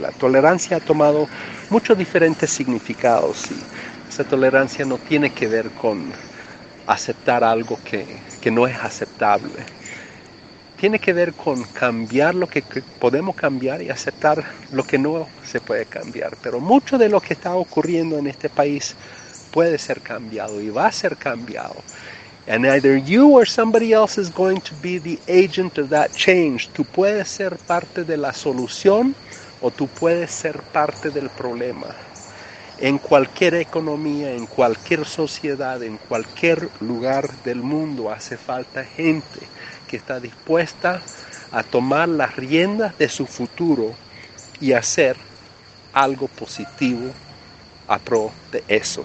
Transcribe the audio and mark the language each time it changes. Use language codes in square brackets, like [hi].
[es] La tolerancia ha tomado muchos diferentes significados, y esa tolerancia no tiene que ver con aceptar algo que no es aceptable. Tiene que ver con cambiar lo que podemos cambiar y aceptar lo que no se puede cambiar. Pero mucho de lo que está ocurriendo en este país puede ser cambiado y va a ser cambiado. [en] And either you or somebody else is going to be the agent of that change. [es] Tú puedes ser parte de la solución o tú puedes ser parte del problema. En cualquier economía, en cualquier sociedad, en cualquier lugar del mundo, hace falta gente que está dispuesta a tomar las riendas de su futuro y hacer algo positivo a pro de eso.